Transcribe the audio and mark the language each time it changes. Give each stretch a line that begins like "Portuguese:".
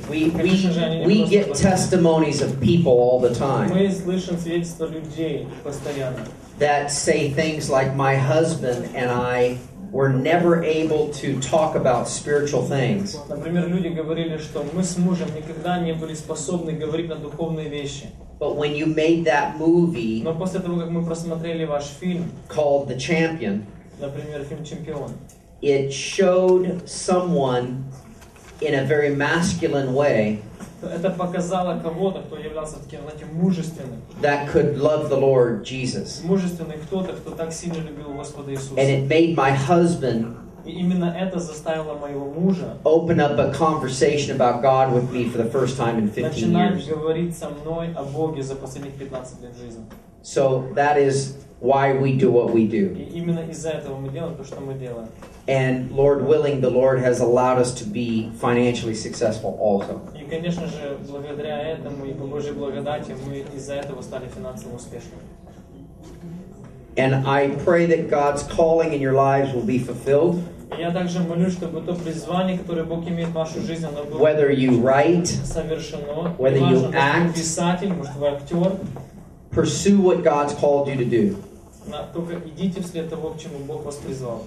English: We get testimonies of people all the time.
Russian: Мы слышим свидетельства людей постоянно.
English: That say things like my husband and I were never able to talk about spiritual things.
Russian: Например, люди говорили, что мы с мужем никогда не были способны говорить на духовные вещи.
English: But when you made that movie,
Russian: но после того как мы просмотрели ваш фильм,
English: called The Champion.
Russian: Например, фильм «Чемпион».
English: It showed someone in a very masculine way.
Russian: Это показало кого-то, кто являлся таким, знаете, мужественным.
English: That could love the Lord Jesus.
Russian: Мужественный кто-то, кто так сильно любил Господа Иисуса.
English: And it made my husband.
Russian: И именно это заставило моего мужа.
English: Open up a conversation about God with me for the first time in 15
Russian: начинать
English: years.
Russian: Начинать говорить со мной о Боге за последних 15 лет жизни.
English: So that is. Why we do what we do.
Russian: И именно из-за этого мы делаем то, что мы делаем.
English: And Lord willing, the Lord has allowed us to be financially successful also.
Russian: И, конечно же, благодаря этому и по Божьей благодати мы из-за этого стали финансово успешными.
English: And I pray that God's calling in your lives will be fulfilled.
Russian: И я также молюсь, чтобы то призвание, которое Бог имеет в вашу жизнь, оно было
English: whether you write,
Russian: совершено.
English: Whether
Russian: важно,
English: you act,
Russian: писатель, может, вы актер.
English: Pursue what God's called you to do.
Russian: Только идите вслед того, к чему Бог вас призвал.